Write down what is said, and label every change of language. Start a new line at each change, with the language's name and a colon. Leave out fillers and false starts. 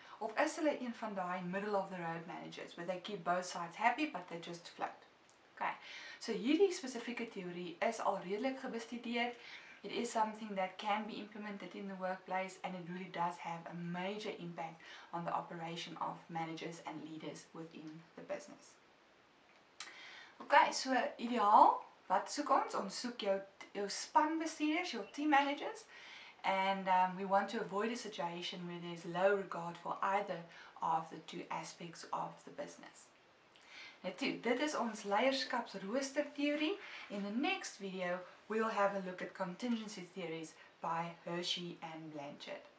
Afrikaans: Of is hulle een van die
English: middle of the road managers where they keep both sides happy but they just float?
Afrikaans: Okay, so hierdie spesifieke teorie is al redelik gebestudeer.
English: It is something that can be implemented in the workplace and it really does have a major impact on the operation of managers and leaders within the business.
Afrikaans: Okay, so ideaal, wat soek ons? Ons soek jou span bestuurders,
English: jou team managers. And we want to avoid a situation where there is low regard for either of the two aspects of the business.
Afrikaans: Natuurlik, dit is ons leierskapsrooster teorie.
English: In the next video, we'll have a look at contingency theories by Hershey and Blanchard.